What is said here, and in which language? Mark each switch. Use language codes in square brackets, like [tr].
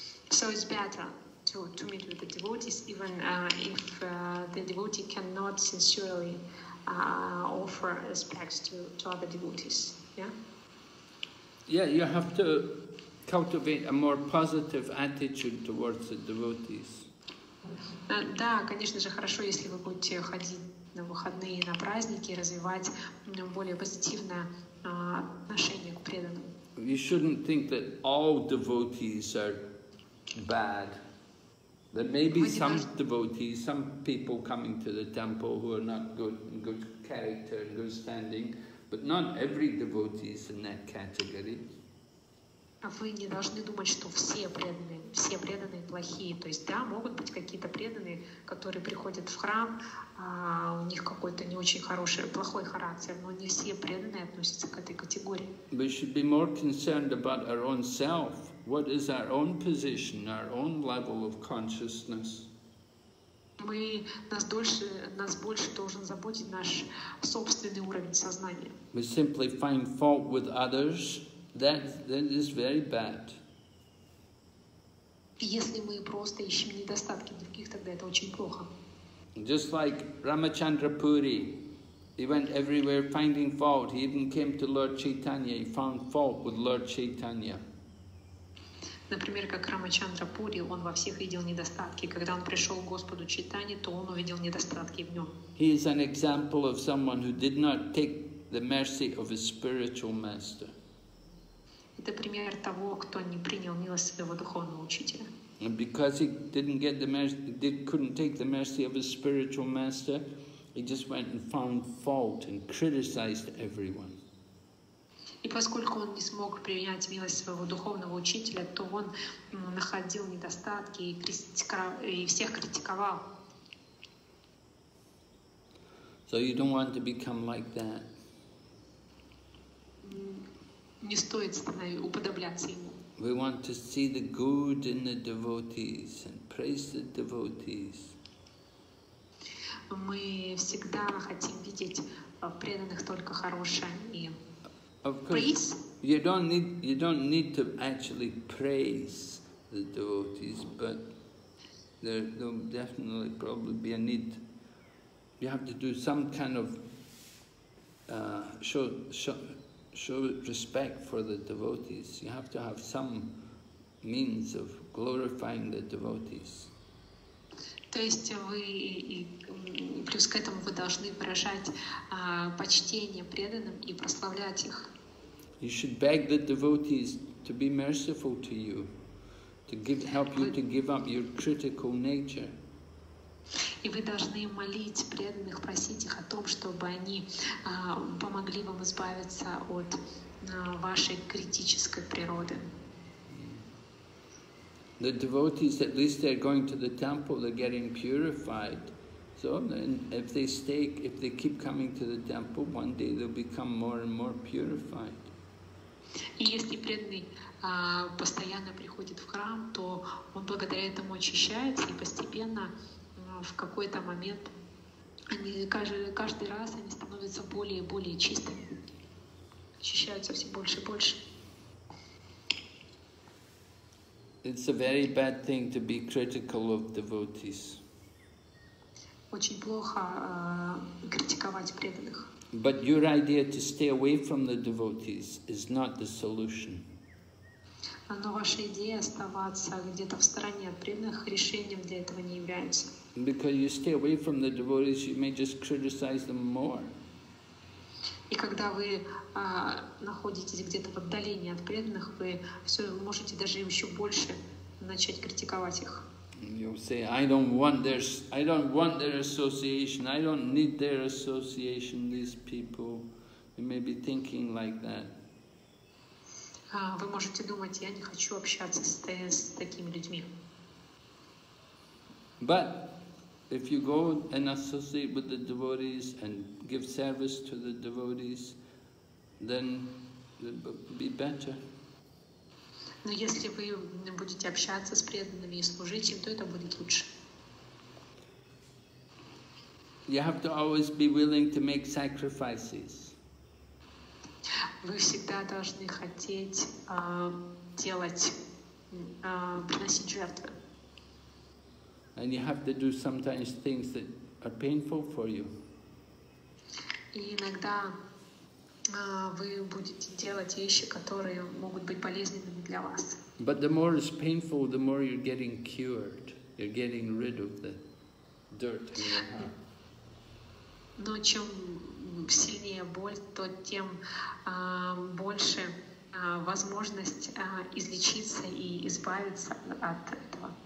[en] So it's better to meet with the devotees, even if the devotee cannot sincerely offer respects to other devotees, yeah? Yeah, you have to cultivate a more positive attitude towards the devotees. [ru] Да, конечно же, хорошо, если вы будете ходить на выходные, на праздники, развивать более позитивное отношение к преданным. [en] You shouldn't think that all devotees are bad. There may be some devotees, some people coming to the temple who are not good, in good character, in good standing, but not every devotee is in that category. [ru] Вы не должны думать, что все преданные плохие. То есть, да, могут быть какие-то преданные, которые приходят в храм, у них какой-то не очень хороший, плохой характер, но не все преданные относятся к этой категории. [en] We should be more concerned about our own self. What is our own position, our own level of consciousness? [ru] Нас больше должен заботить наш собственный уровень сознания. [en] We simply find fault with others. That is very bad. [ru] Если мы просто ищем недостатки других, тогда это очень плохо. [en] Just like Ramachandra Puri, he went everywhere finding fault. He even came to Lord Chaitanya. He found fault with Lord Chaitanya. [ru] Например, как Рамачандра Пури, он во всех видел недостатки. Когда он пришел к Господу Чайтанье, то он увидел недостатки в нем. [en] He is an example of someone who did not take the mercy of his spiritual master. [ru] Это пример того, кто не принял милость своего духовного учителя. [en] And because he couldn't take the mercy of his spiritual master, He just went and found fault and criticized everyone. [ru] И поскольку он не смог принять милость своего духовного учителя, то он находил недостатки и всех критиковал. [en] So you don't want to become like that. [ru] Не стоит уподобляться ему. [en] We want to see the good in the devotees and praise the devotees. [ru] Мы всегда хотим видеть преданных только хорошее и [en] praise. You don't need to actually praise the devotees, but there will definitely probably be a need. You have to do some kind of show respect for the devotees. You have to have some means of glorifying the devotees. [ru] То есть вы плюс к этому вы должны выражать почтение преданным и прославлять их. [en] You should beg the devotees to be merciful to you, to give, help you to give up your critical nature. [ru] И вы должны молить преданных, просить их о том, чтобы они помогли вам избавиться от вашей критической природы. [en] The devotees, at least they're going to the temple, they're getting purified. So then if they keep coming to the temple, one day they'll become more and more purified. [ru] И если преданный постоянно приходит в храм, то он благодаря этому очищается и постепенно в какой-то момент они каждый раз они становятся более и более чистыми, очищаются все больше и больше. [en] It's a very bad thing to be critical of devotees. [ru] Очень плохо критиковать преданных. [en] But your idea to stay away from the devotees is not the solution. [ru] Но ваша идея оставаться где-то в стороне от преданных решением для этого не является. [en] Because you stay away from the devotees, you may just criticize them more. [ru] И когда вы находитесь где-то в отдалении от преданных, вы все можете даже еще больше начать критиковать их. [en] You'll say, I don't want their association, I don't need their association, these people. You may be thinking like that. [ru] Вы можете думать, я не хочу общаться с такими людьми. [en] But if you go and associate with the devotees and give service to the devotees, then it would be better. [ru] Но если вы будете общаться с преданными и служить им, то это будет лучше. [en] You have to always be willing to make sacrifices. [ru] Вы всегда должны хотеть приносить жертвы. [en] And you have to do sometimes things that are painful for you. [ru] И иногда вы будете делать вещи, которые могут быть полезными для вас. [en] But the more it's painful, the more you're getting cured. You're getting rid of the dirt in your heart. [ru] Но чем сильнее боль, то тем больше возможность излечиться и избавиться от этого.